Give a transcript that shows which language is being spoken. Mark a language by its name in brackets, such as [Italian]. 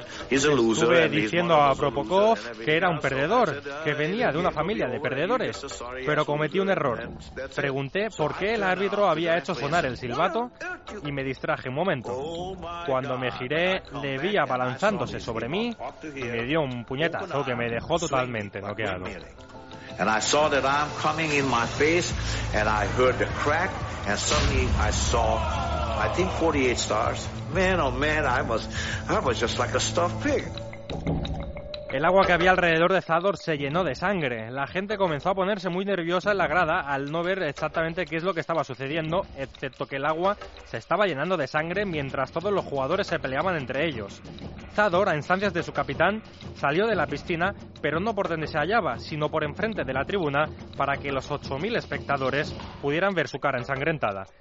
[Spanish] Estuve diciendo a Prokopov que era un perdedor, que venía de una familia de perdedores, pero cometí un error. Pregunté por qué el árbitro había hecho sonar el silbato y me distraje un momento. Cuando me giré, le vi abalanzándose sobre mí y me dio un puñetazo que me dejó totalmente noqueado. [English] And I saw that arm coming in my face, and I heard the crack, and suddenly I saw, I think 48 stars. Man, oh man, I was just like a stuffed pig. [Spanish] El agua que había alrededor de Zadar se llenó de sangre. La gente comenzó a ponerse muy nerviosa en la grada al no ver exactamente qué es lo que estaba sucediendo, excepto que el agua se estaba llenando de sangre mientras todos los jugadores se peleaban entre ellos. Zadar, a instancias de su capitán, salió de la piscina, pero no por donde se hallaba, sino por enfrente de la tribuna para que los 8.000 espectadores pudieran ver su cara ensangrentada.